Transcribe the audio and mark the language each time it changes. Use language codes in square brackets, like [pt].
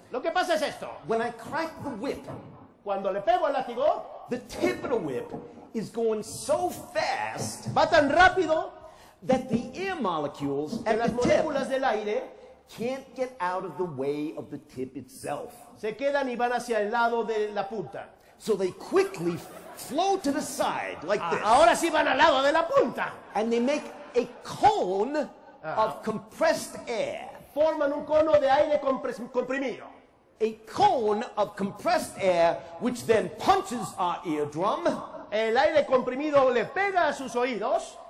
[es] Lo que pasa es esto. [en] When I crack the whip, [es] cuando le pego al látigo, [en] the tip of the whip is going so fast, [es] va tan rápido, [en] that the air molecules at [es] las [en] the [es] moléculas [en] tip [es] del aire [en] can't get out of the way of the tip itself. [es] Se quedan y van hacia el lado de la punta. [en] So they quickly flow to the side like this. [es] Ahora sí van al lado de la punta. [en] And they make a cone of compressed air. [es] Forman un cono de aire comprimido. [en] A cone of compressed air which then punches our eardrum. [es] El aire comprimido le pega a sus oídos.